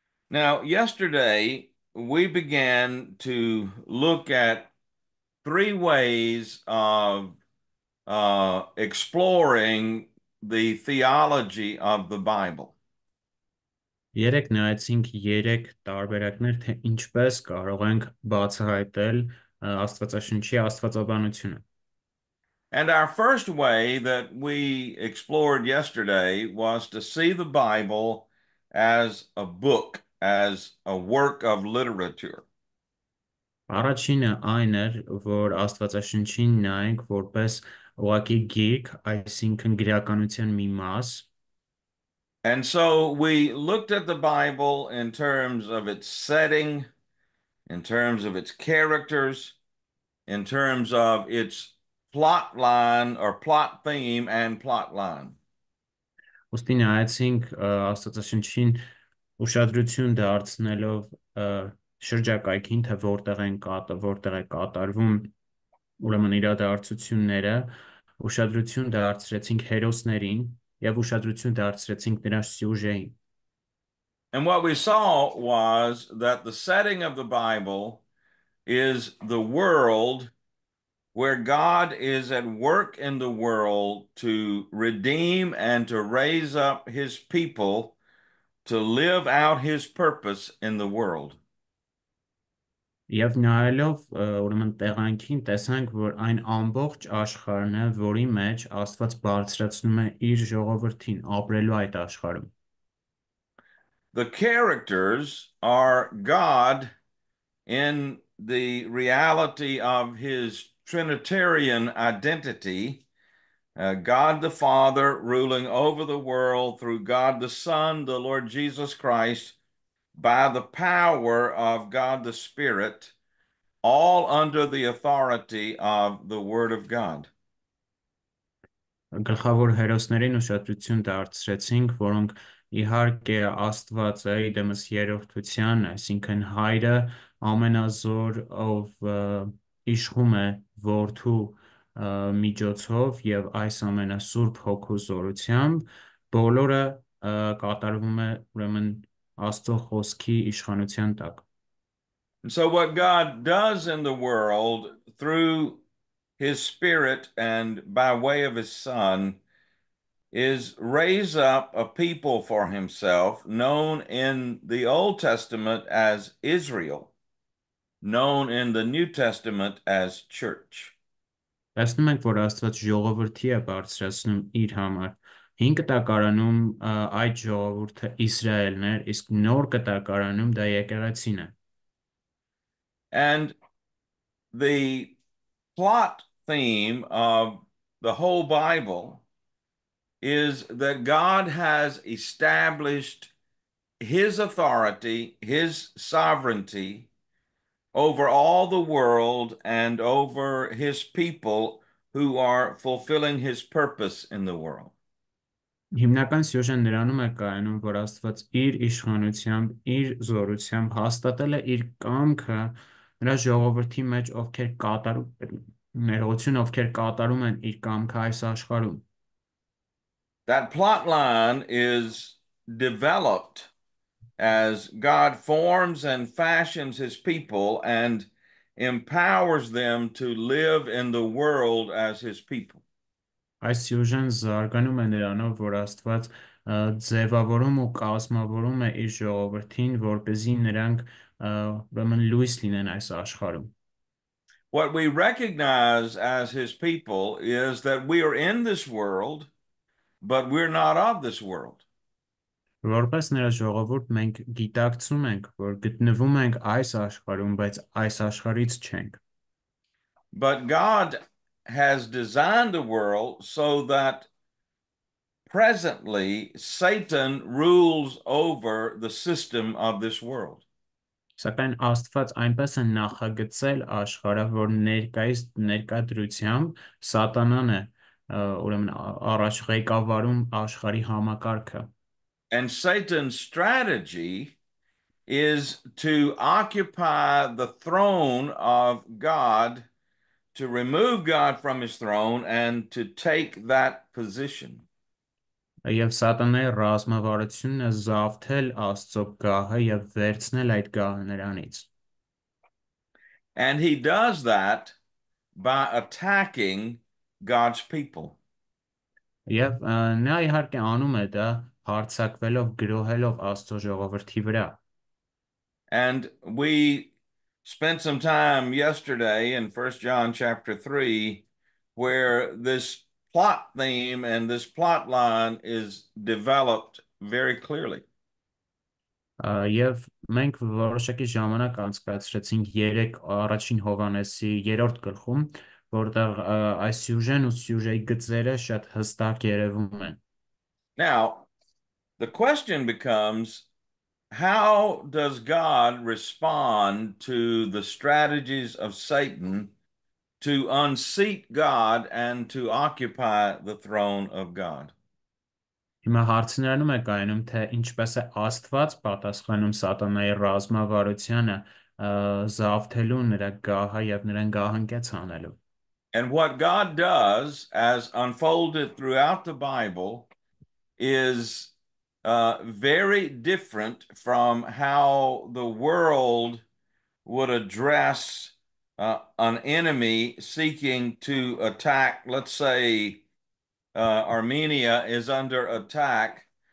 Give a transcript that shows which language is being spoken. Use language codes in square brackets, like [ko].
[en] Now, yesterday we began to look at three ways of exploring the theology of the Bible. [hy] Երեք նայեցինք երեք տարբերակներ, թե ինչպես կարող ենք բացահայտել Աստվածաշնչի աստվածաբանությունը։ [en] And our first way that we explored yesterday was to see the Bible as a book, as a work of literature. [hy] Առաջինը այն էր, որ Աստվածաշնչին նայենք որպես ուղղակի գիրք, այսինքն գրականության մի մաս։ [en] And so we looked at the Bible in terms of its setting, in terms of its characters, in terms of its plot line or plot theme and plot line. [hy] Ոստի նայեցինք Աստվածաշնչին ուշադրություն դարձնելով շրջակայքին, թե որտեղ է կատարվում ուրեմն իրադարձությունները, ուշադրություն դարձրեցինք հերոսներին և ուշադրություն դարձրեցինք նրա սյուժեին։ [en] And what we saw was that the setting of the Bible is the world, where God is at work in the world to redeem and to raise up his people to live out his purpose in the world. [hy] Եվ նայելով ուրեմն տեղանքին տեսանք, որ այն ամբողջ աշխարհն է, որի մեջ Աստված բարձրացնում է իր ժողովրդին ապրելու այդ աշխարհում. [en] The characters are God in the reality of his Trinitarian identity. God the Father ruling over the world through God the Son, the Lord Jesus Christ, by the power of God the Spirit, all under the authority of the Word of God. [hy] Գլխավոր հերոսներին ուշադրություն դարձրեցինք, որոնք իհարկե Աստված է, իդեմս երրորդության, այսինքն Հայրը, ամենազոր, ով իշխում է Որդու միջոցով եւ այս ամենը Սուրբ Հոգու զորությամբ, բոլորը կատարվում է, ուրեմն, Աստծո խոսքի իշխանության տակ։ [en] And so what God does in the world through his Spirit and by way of his Son is raise up a people for himself known in the Old Testament as Israel, known in the New Testament as church. [hy] Տեսնում ենք, որ Աստված ժողովրդի է բարձրացնում իր համար։ Հին կտակարանում այդ ժողովուրդը Իսրայելն էր, իսկ նոր կտակարանում դա եկեղեցին է։ [en] And the plot theme of the whole Bible is that God has established his authority, his sovereignty over all the world and over his people who are fulfilling his purpose in the world. [hy] Հիմնական սյուժեն նրանում է կայանում, որ Աստված իր իշխանությամբ, իր զորությամբ հաստատել է իր կամքը նրա ժողովրդի մեջ, ովքեր կատարում են ներողություն, ովքեր կատարում են իր կամքը այս աշխարհում։ [en] That plot line is developed as God forms and fashions his people and empowers them to live in the world as his people. [hy] Այս սյուժեն զարգանում է նրանով, որ Աստված ձևավորում ու կազմավորում է իր ժողովրդին, որպեսզի նրանք ուրեմն լույս լինեն այս աշխարհում։ [en] What we recognize as his people is that we are in this world, but we're not of this world. [hy] Որպես նրա ժողովուրդ մենք գիտակցում ենք, որ գտնվում ենք այս աշխարհում, բայց այս աշխարհից չենք։ [en] But God has designed the world so that presently Satan rules over the system of this world. [hy] Սակայն Աստված այնպես է նախագծել աշխարհը, որ ներկայիս ներկայդրությամբ Սատանան է, ուրեմն, առաջ ղեկավարում աշխարհի համակարգը։ [en] And Satan's strategy is to occupy the throne of God, to remove God from his throne and to take that position. [hy] Եվ Սատանայի ռազմավարությունն է զավթել Աստծո գահը եւ վերցնել այդ գահը նրանից։ [en] And he does that by attacking God's people. [hy] Եվ նա իհարկե անում է դա հարձակվելով, գրոհելով Աստծո ժողովրդի վրա։ [en] And we spent some time yesterday in 1 John chapter 3 where this plot theme and this plot line is developed very clearly. [hy] Եվ մենք որոշակի ժամանակ անցկացրեցինք 3 առաջին Հովանեսի 3-րդ գլխում, որտեղ այս սյուժեն ու սյուժեի գծերը շատ հստակ երևում են։ [en] Now, the question becomes, how does God respond to the strategies of Satan to unseat God and to occupy the throne of God? [hy] Հիմա հարցնանում է կայանում, թե ինչպես է Աստված պատասխանում Սատանայի ռազմավարությանը, զավթելու նրա գահը եւ նրան գահանկեց անելու։ [en] And what God does, as unfolded throughout the Bible, is very different from how the world would address an enemy seeking to attack, let's say, Armenia is under attack.